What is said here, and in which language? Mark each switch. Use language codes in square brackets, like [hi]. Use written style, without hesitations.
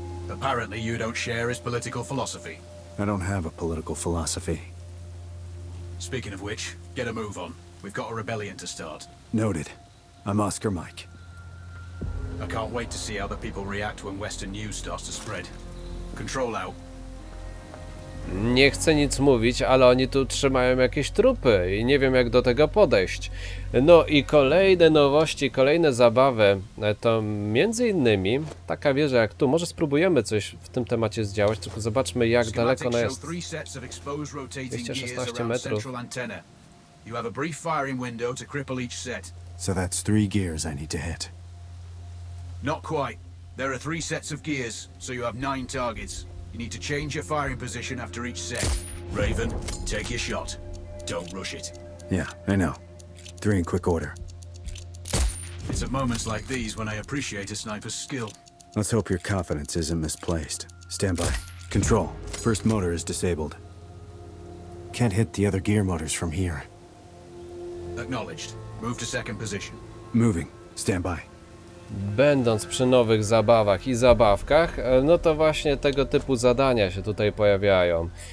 [en] Apparently you don't share his political philosophy. I don't have a political philosophy. Speaking of which, get a move on. We've got a rebellion to start. Noted. I'm Oscar Mike. I can't wait to see how the people react when Western news starts to spread. Control out. [pl] Nie chcę nic mówić, ale oni tu trzymają jakieś trupy i nie wiem, jak do tego podejść. No i kolejne nowości, kolejne zabawy to między innymi taka wieża jak tu. Może spróbujemy coś w tym temacie zdziałać, tylko zobaczmy, jak daleko ona jest. 216 metrów. [en] You have a brief firing window to cripple each set. So that's three gears I need to hit. Not quite. There are three sets of gears, so you have nine targets. You need to change your firing position after each set. Raven, take your shot. Don't rush it. Yeah, I know. Three in quick order. It's at moments like these when I appreciate a sniper's skill. Let's hope your confidence isn't misplaced. Stand by. Control, first motor is disabled. Can't hit the other gear motors from here. Acknowledged. Move to second position. Moving. Stand by. [pl] Będąc przy nowych zabawach i zabawkach, no to właśnie tego typu zadania się tutaj pojawiają.